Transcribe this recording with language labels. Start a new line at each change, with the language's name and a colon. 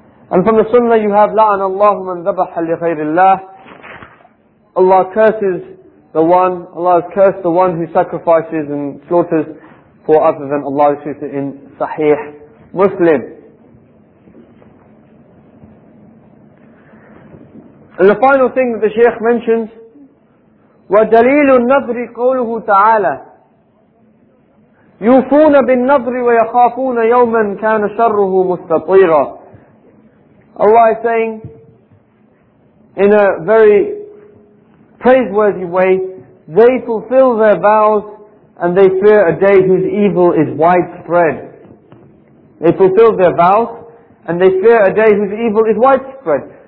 English: And from the sunnah you have,
Arabic: la'an Allahu man dhabaha li ghayrillah,
English: Allah curses the one, Allah has cursed the one who sacrifices and slaughters for other than Allah, which is in Sahih Muslim. And the final thing that the Shaykh mentions,
Arabic: وَدَلِيلُ النَّظْرِ قَوْلُهُ تَعَالَى يُوفُونَ بِالنَّظْرِ وَيَخَافُونَ يَوْمًا كَانَ شَرُّهُ مُسْتَطِيرًا.
English: Allah is saying, in a very praiseworthy way, they fulfill their vows and they fear a day whose evil is widespread. They fulfill their vows and they fear a day whose evil is widespread.